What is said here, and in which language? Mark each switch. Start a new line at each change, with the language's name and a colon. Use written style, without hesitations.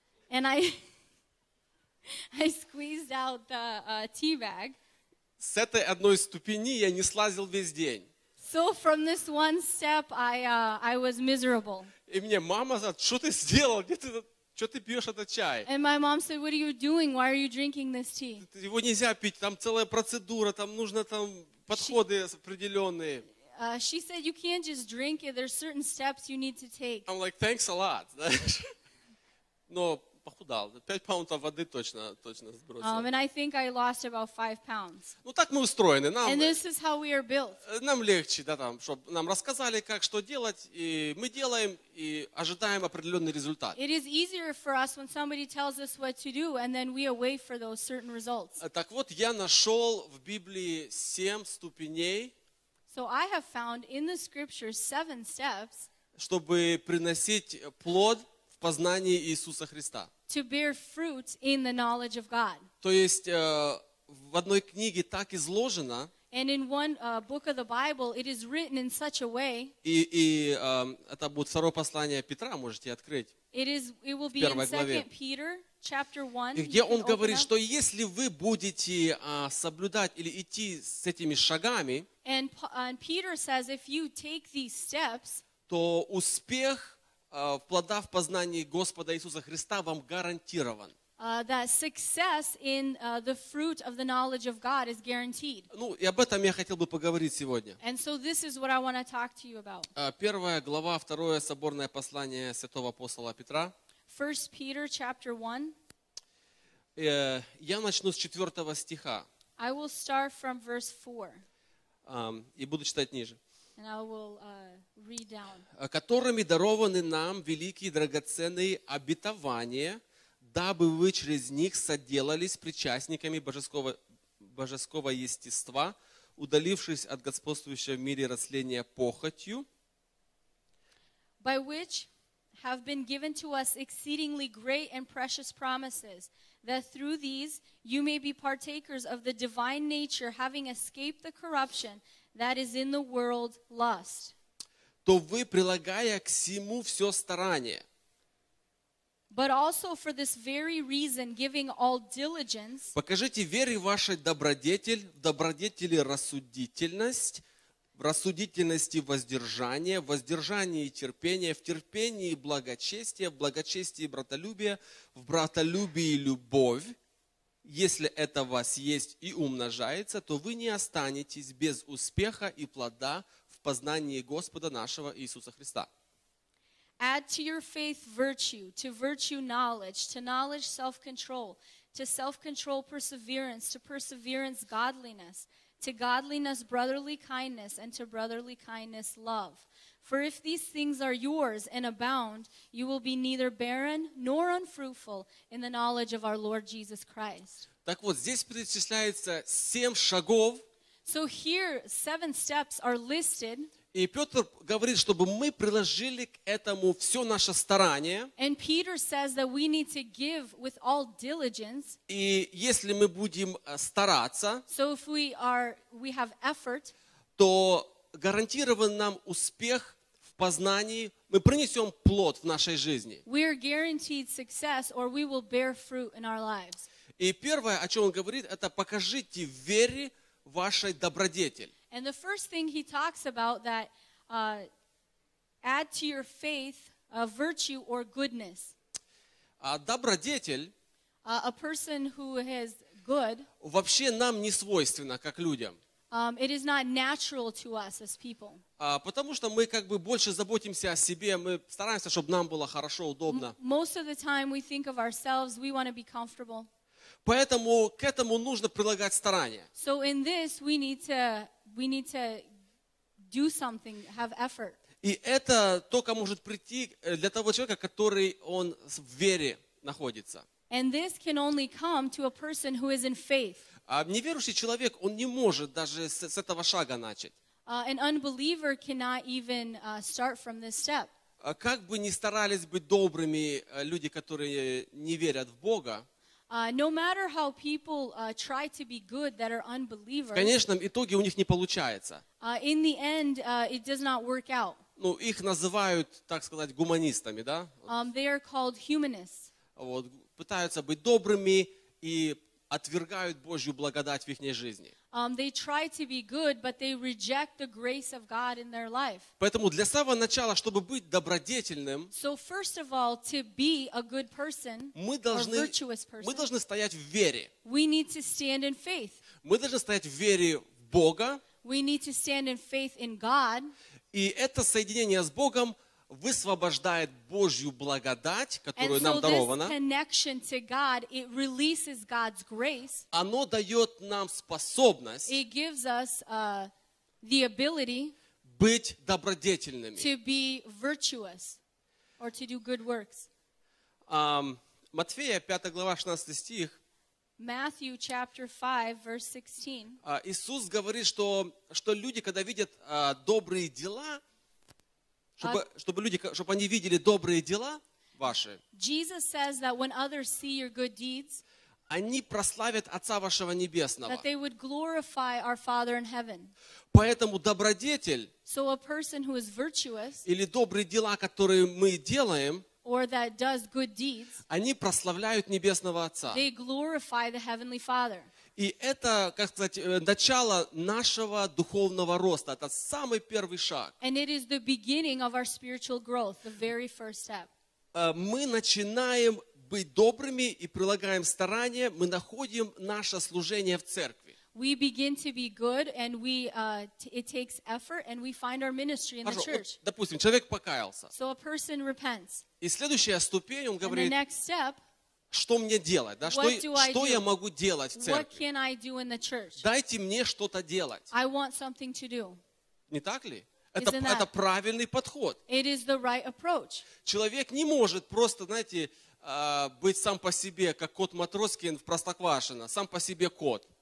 English: And I I squeezed out the tea bag.
Russian: С этой одной ступени я не слазил весь день.
English: So from this one step, I was miserable.
Russian: И мне мама сказала, что ты сделал? Где ты, что ты пьешь этот чай?
English: And my mom said, what are you doing? Why are you drinking this tea?
Russian: Его нельзя пить, там целая процедура, там нужно там подходы определенные.
English: She said, you can't just drink it, there's certain steps you need to take. I'm like, thanks a lot.
Russian: Но похудал. 5 фунтов воды точно сбросил.
English: And I think I lost about 5 pounds.
Russian: Ну так мы устроены. Нам,
English: and this is how we are built.
Russian: Нам легче, да, там, чтобы нам рассказали, как что делать, и мы делаем и ожидаем определенный результат.
English: It is easier for us when somebody tells us what to do, and then we await for those certain results.
Russian: Так вот, я нашел в Библии 7 ступеней.
English: So I have found in the scriptures 7 steps.
Russian: Чтобы приносить плод познание Иисуса Христа.
English: To bear fruit in the knowledge of God.
Russian: То есть в одной книге так изложено.
English: And in one book of the Bible, it is written in such a way.
Russian: И это будет второе послание Петра, можете открыть.
English: It is. It will be in 2 Peter chapter 1.
Russian: И где он говорит, что если вы будете соблюдать или идти с этими шагами.
English: And Peter says, if you take these steps.
Russian: То успех в плода в познании Господа Иисуса Христа вам гарантирован.
English: That success in the fruit of the knowledge of God is guaranteed.
Russian: Ну, и об этом я хотел бы поговорить сегодня.
English: And so this is what I want to talk to you about.
Russian: Первая глава, второе соборное послание святого апостола Петра.
English: 1 Peter chapter 1.
Russian: Я начну с 4 стиха.
English: I will start from verse 4.
Russian: И буду читать ниже.
English: And I will read down.
Russian: Которыми дарованы нам великие драгоценные обетования, дабы вы через них соделались причастниками божеского естества, удалившись от господствующего в мире растления похотью.
English: By which have been given to us exceedingly great and precious promises, that through these you may be partakers of the divine nature, having escaped the corruption that is in the world lust.
Russian: То вы, прилагая к сему все старание.
English: But also for this very reason, giving all diligence.
Russian: Покажите вере вашей добродетель, в добродетели рассудительность, в рассудительности воздержание, в воздержании терпение, в терпении благочестие, в благочестии братолюбие, в братолюбии любовь. Если это вас есть и умножается, то вы не останетесь без успеха и плода в познании Господа нашего Иисуса Христа.
English: Add to your faith virtue, to virtue knowledge, to knowledge self-control, to self-control perseverance, to perseverance godliness, to godliness brotherly kindness, and to brotherly kindness love. For if these things are yours and abound, you will be neither barren nor unfruitful in the knowledge of our Lord Jesus Christ.
Russian: Так вот, здесь перечисляется семь шагов.
English: So here, seven steps are listed.
Russian: И Петр говорит, чтобы мы приложили к этому все наше старание.
English: And Peter says that we need to give with all diligence.
Russian: И если мы будем стараться,
English: so if we have effort,
Russian: то гарантирован нам успех в познании, мы принесем плод в нашей жизни.
English: We are guaranteed success, or we will bear fruit in our lives.
Russian: И первое, о чем он говорит, это покажите в вере вашей добродетель.
English: And the first thing he talks about that add to your faith a virtue or goodness.
Russian: Добродетель,
English: a person who is good,
Russian: вообще нам не свойственно, как людям.
English: It is not natural to us as people.
Russian: Потому что мы как бы больше заботимся о себе, мы стараемся, чтобы нам было хорошо, удобно.
English: Most of the time we think of ourselves, we want to be comfortable.
Russian: Поэтому к этому нужно прилагать старания.
English: So in this we need to do something, have effort.
Russian: И это только может прийти для того человека, который он в вере находится.
English: And this can only come to a person who is in faith.
Russian: А неверующий человек, он не может даже с этого шага начать.
English: An unbeliever cannot even start from this step.
Russian: Как бы ни старались быть добрыми люди, которые не верят в Бога,
English: no matter how people try to be good that are unbelievers,
Russian: в конечном итоге у них не получается.
English: In the end, it does not work out.
Russian: Ну, их называют, так сказать, гуманистами, да?
English: They are called humanists.
Russian: Вот, пытаются быть добрыми и отвергают Божью благодать в их жизни.
English: They try to be good, but they reject the grace of God in their life.
Russian: Поэтому для самого начала, чтобы быть добродетельным,
English: so first of all, to be a good person,
Russian: мы должны стоять в вере.
English: We need to stand in faith.
Russian: Мы должны стоять в вере в Бога.
English: We need to stand in faith in God.
Russian: И это соединение с Богом высвобождает Божью благодать, которую
English: so
Russian: нам дарована.
English: Connection to God, it releases God's grace.
Russian: Оно дает нам способность
English: it gives us, the ability
Russian: быть добродетельными.
English: To be virtuous or to do good works.
Russian: Матфея, 5 глава, 16 стих.
English: Matthew chapter 5, verse 16.
Russian: Иисус говорит, что люди, когда видят добрые дела, чтобы они видели добрые дела ваши.
English: Jesus says that when others see your good deeds,
Russian: они прославят Отца вашего небесного.
English: That they would glorify our Father in heaven.
Russian: Поэтому добродетель,
English: so a person who is virtuous,
Russian: или добрые дела, которые мы делаем,
English: or that does good deeds,
Russian: они прославляют небесного Отца.
English: They glorify the heavenly Father.
Russian: И это, как сказать, начало нашего духовного роста. Это самый первый шаг.
English: And it is the beginning of our spiritual growth, the very first step. Мы начинаем быть добрыми и прилагаем старания, мы находим наше служение в церкви. We begin to be good, and we it takes effort, and we find our ministry in
Russian: Хорошо,
English: the church.
Russian: Вот, допустим, человек покаялся.
English: So a person repents.
Russian: И следующая ступень, он говорит,
English: and the next step,
Russian: что мне делать? Да? Что, что я могу делать в церкви?
English: What can I do in the church?
Russian: Дайте мне что-то делать.
English: I want something to do.
Russian: Не так ли? Это правильный подход.
English: It is the right approach.
Russian: Человек не может просто, знаете, быть сам по себе, как кот Матроскин в Простоквашино, сам по себе кот.